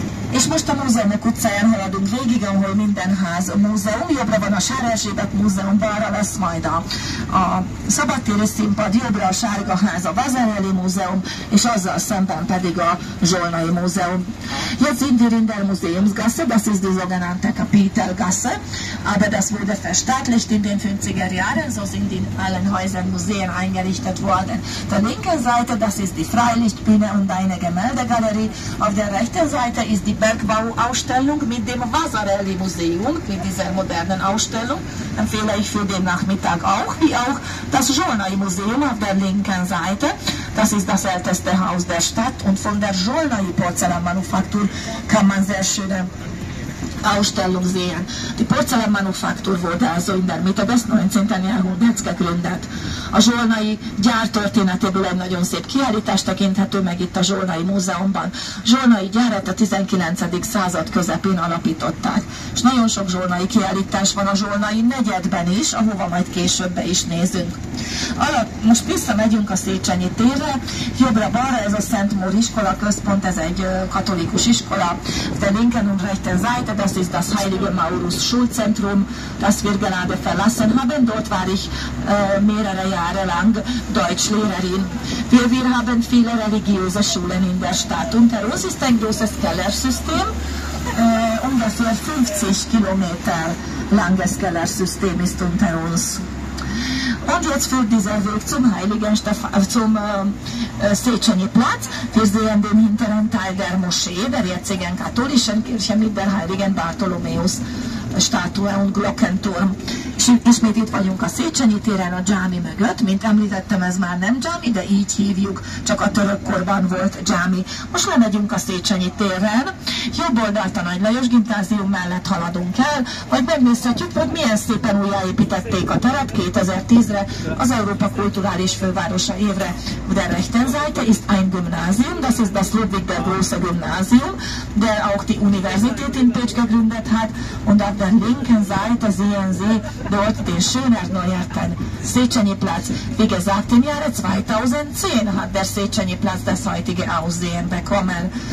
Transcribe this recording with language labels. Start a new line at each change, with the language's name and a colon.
Hungarian: És most a Múzeumok utcáján haladunk végig, ahol minden ház múzeum. Jobbra van a Sár Erzsébet Múzeum, balra lesz majd a szabadtéri színpad, jobbra a Sárga Ház, a Vazereli Múzeum, és azzal szemben pedig a Zsolnai Múzeum.
German: Jetzt in die Rindermuseumsgasse, das ist die sogenannte Kapitelgasse, aber das wurde verstaatlicht in den 50er Jahren, so sind in allen Häusern Museen eingerichtet worden. Der linken Seite, das ist die Freilichtbühne und eine Gemäldegalerie, auf der rechten Seite ist die Bergbauausstellung mit dem Vazereli Museum, mit dieser modernen Ausstellung, empfehle ich für den Nachmittag auch, wie auch das Zsolnai Museum auf der linken Seite. Das ist das älteste Haus der Stadt und von der Zsolnai Porzellanmanufaktur kann man sehr schöne Ausstellung sehen. Die Porzellanmanufaktur wurde also in der Mitte des 19. Jahrhunderts gegründet.
Hungarian: A Zsolnai gyár történetéből egy nagyon szép kiállítást tekinthető meg itt a Zsolnai Múzeumban. Zsolnai gyárat a 19. század közepén alapították. És nagyon sok zsolnai kiállítás van a Zsolnai negyedben is, ahova majd később is nézünk. Most visszamegyünk a Széchenyi térre. Jobbra-balra ez a Szent Mór iskola központ, ez egy katolikus iskola.
German: De linken und rechten Seite, das ist das Heilige Maurus Schulzentrum, das wir gerade verlassen haben. Dort war ich mehrere Jahre lang Deutschlehrerin. Wir haben viele religiöse Schulen in der Stadt. Unter uns ist ein großes Kellersystem, ungefähr 50 Kilometer langes Kellersystem ist unter uns. Und jetzt führt dieser Weg zum Heiligen zum Széchenyi Platz. Wir sehen den hinteren Teil der Moschee, der jetzigen katholischen Kirche mit der Heiligen Bartholomäus Statue und Glockenturm.
Hungarian: És ismét itt vagyunk a Széchenyi téren a dzsámi mögött. Mint említettem, ez már nem dzsámi, de így hívjuk, csak a török korban volt dzsámi. Most lemegyünk a Széchenyi téren. Jobb oldalt a Nagy Lajos gimnázium mellett haladunk el, vagy megnézhetjük, hogy milyen szépen újjáépítették a teret 2010-re, az Európa Kulturális Fővárosa évre.
German: Der rechten Seite ist ein Gymnasium, das ist das Ludwig der Große Gymnasium, der auch die Universität in Pécs gegründet hat, und auf der linken Seite sehen Sie dort den Schönert Neuerten Széchenyi Platz. Wie gesagt, im Jahre 2010 hat der Széchenyi Platz das heutige Aussehen bekommen.